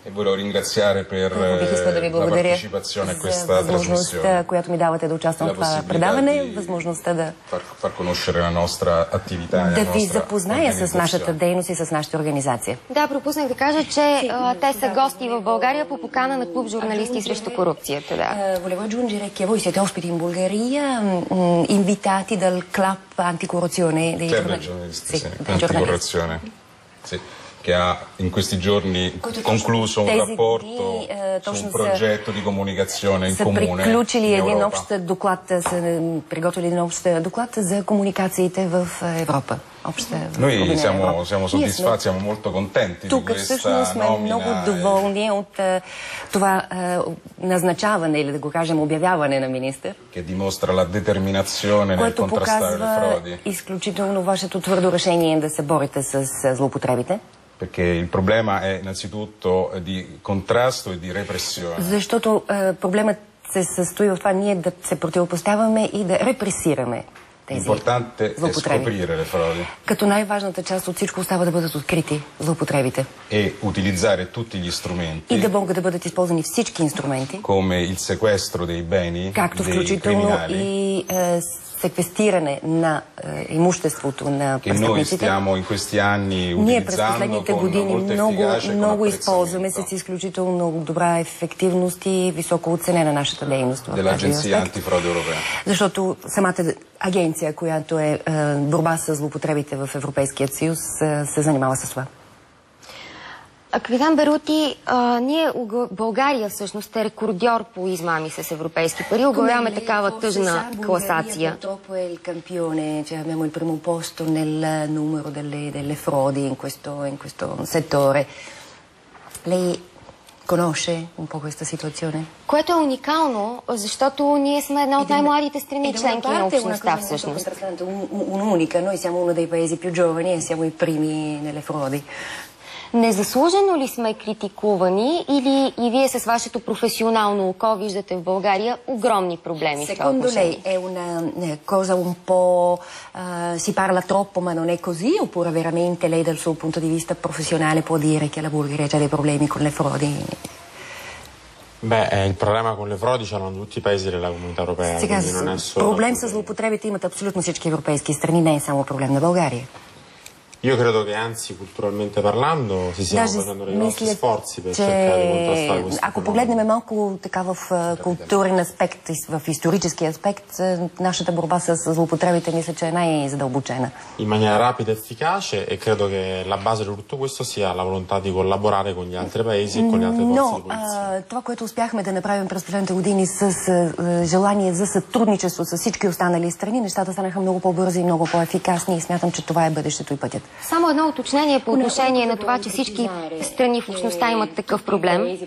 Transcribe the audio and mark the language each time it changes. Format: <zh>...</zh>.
<it>E volevo ringraziare per la partecipazione a questa trasmissione.</it> <bg>Която ми давате да участвам в това предаване, възможността да</bg> <it>far conoscere la nostra attività.</it> <bg>Да ви запозная с нашата дейност и с нашата организация. Да, пропуснах да кажа, че те са гости в България по покана на клуб журналисти срещу корупцията.</bg> <it>Volevo aggiungere che voi siete ospiti in Bulgaria, invitati dal club anticorruzione dei anticorruzione, sì, che ha in questi giorni concluso un rapporto su un progetto di comunicazione in comune.</it> <bg>Са приключили един общ доклад, са приготвили един общ доклад за комуникациите в Европа.</bg> <it>Noi siamo soddisfatti, siamo molto contenti di questa nomina.</it> <bg>Тук всъщност сме много доволни от това назначаване, или да го кажем обявяване на министър.</bg> <it>Che dimostra la determinazione nel contrastare le frodi.</it> <bg>Което показва изключително вашето твърдо решение да се борите с злоупотребите.</bg> <it>Perché il problema è innanzitutto di contrasto e di repressione.</it> <bg>Защото проблемът се състои в това ние да се противопоставяме и да репресираме.</bg> <it>Importante è scoprire le frodi.</it> <bg>Като най-важната част от всичко остава да бъдат открити злоупотребите.</bg> <it>E utilizzare tutti gli strumenti.</it> <bg>И да могат да бъдат използвани всички инструменти.</bg> <it>Come il sequestro dei beni.</it> <bg>Както включително и секвестиране на имуществото на престъпниците.</bg> <it>Che noi stiamo in questi anni utilizzando.</it> <bg>Ние през последните години много използваме с изключително добра ефективност и високо оценена нашата дейност.</bg> <it>Dell'Agenzia Antifrode Europea.</it> <bg>Защото самата агенция, която е борба с злоупотребите в Европейския съюз, се занимава с това. Капитан Берути, ние, България всъщност е рекордьор по измами с европейски пари. Оглавяме такава тъжна класация.</bg> <it>Purtroppo è il campione, cioè abbiamo il primo posto nel numero delle frodi in questo settore. Lei conosce un po' questa situazione?</it> <bg>Което е уникално, защото ние сме една от най-младите страни членки на общността всъщност.</bg> <it>Unica, noi siamo uno dei paesi più giovani e siamo i primi nelle frodi.</it> <bg>Незаслужено ли сме критикувани или и вие с вашето професионално око виждате в България огромни проблеми?</bg> <it>Secondo lei è una cosa un po' si parla troppo, ma non è così, oppure veramente lei dal suo punto di vista professionale può dire che la Bulgaria ha già dei problemi con le frodi? Beh, il problema con le frodi ce l'hanno tutti i paesi della Comunità Europea, quindi non è solo. Problema con le frodi,</it> <bg>имате абсолютно всички европейски страни, не е само проблем на България.</bg> <it>Io credo che anzi, culturalmente parlando, si stiano facendo dei nostri sforzi per cercare di contrastare questo.</it> <bg>Ако погледнем малко така в културен аспект и в исторически аспект, нашата борба с злоупотребите мисля, че е най-задълбочена.</bg> <it>In maniera rapida e efficace, e credo che la base di tutto questo sia la volontà di collaborare con gli altri paesi e con le altre forze di polizia.</it> <bg>Това, което успяхме да направим през последните години с желание за сътрудничество с всички останали страни, нещата станаха много по-бързи и много по-ефикасни и смятам, че това е бъдещето и пътя. Само едно уточнение по отношение на това, че всички страни в общността имат такъв проблем.</bg>